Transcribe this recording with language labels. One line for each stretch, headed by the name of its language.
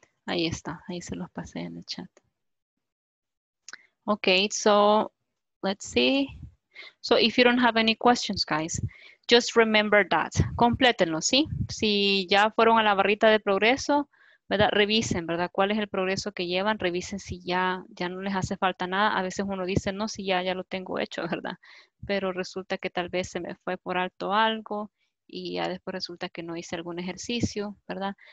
Spanish: Ahí está, ahí se los pasé en el chat.
English: Okay, so let's see. So if you don't have any questions, guys, just remember that.
Spanish: Complétenlo, ¿sí? Si ya fueron a la barrita de progreso, ¿verdad? Revisen, ¿verdad? ¿Cuál es el progreso que llevan? Revisen si ya no les hace falta nada. A veces uno dice, no, si ya lo tengo hecho, ¿verdad? Pero resulta que tal vez se me fue por alto algo y ya después resulta que no hice algún ejercicio, ¿verdad?